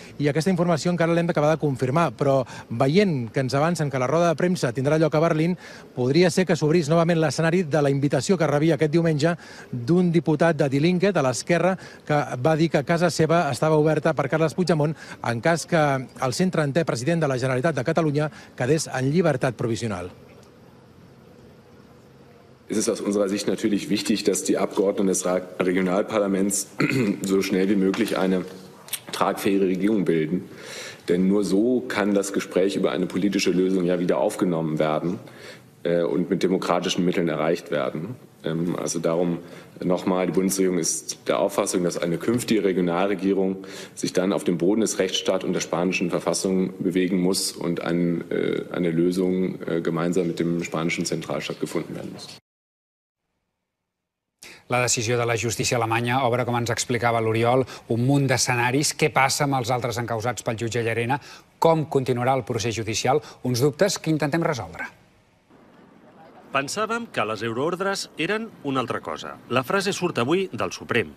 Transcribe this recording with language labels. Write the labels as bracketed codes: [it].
[ca] I aquesta informació encara l'hem d'acabar de confirmar, però veient que ens avancen que la roda de premsa tindrà lloc a Berlín, podria ser que s'obrís novament l'escenari de la invitació que rebia aquest diumenge d'un diputat de Die Linke, de l'esquerra, que va dir que casa seva estava oberta per Carles Puigdemont en cas que el 130è president de la Generalitat de Catalunya quedés en llibertat provisional. [de] Es ist aus unserer Sicht natürlich wichtig, dass die Abgeordneten des Regionalparlaments so schnell wie möglich eine tragfähige Regierung bilden. Denn nur so kann das Gespräch über eine politische Lösung ja wieder aufgenommen werden und mit demokratischen Mitteln erreicht werden. Also darum nochmal, die Bundesregierung ist der Auffassung, dass eine künftige Regionalregierung sich dann auf dem Boden des Rechtsstaats und der spanischen Verfassung bewegen muss und eine Lösung gemeinsam mit dem spanischen Zentralstaat gefunden werden muss. [ca] La decisió de la justícia alemanya obre, com ens explicava l'Oriol, un munt d'escenaris. Què passa amb els altres encausats pel jutge Llarena? Com continuarà el procés judicial? Uns dubtes que intentem resoldre. Pensàvem que les euroordres eren una altra cosa. La frase surt avui del Suprem.